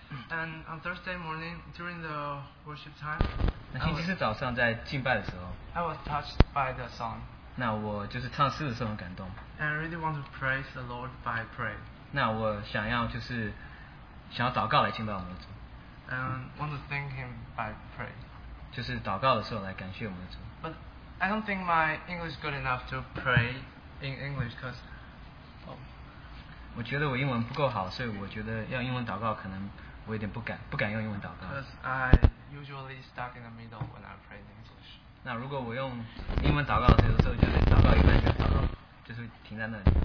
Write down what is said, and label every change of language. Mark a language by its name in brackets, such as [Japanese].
[English] And on Thursday morning during the worship time. [Chinese] 那星期四早上在敬拜的时候。 [English] I was touched by the song. [Chinese] 那我就是唱诗的时候很感动。 [English] And I really want to praise the Lord by prayer. [Chinese] 那我想要就是。想要祷告来敬拜我们的主。 [English] And want to thank him by prayer. [Chinese] 就是祷告的时候来感谢我们的主。 [English] But I don't think my English is good enough to pray in English because. [Chinese] 我觉得我英文不够好，所以我觉得要英文祷告，可能我有点不敢用英文祷告。 [English] Because I usually stuck in the middle when I pray in English. [Chinese] 那如果我用英文祷告，有时候就是祷告一半就祷告，就是停在那里。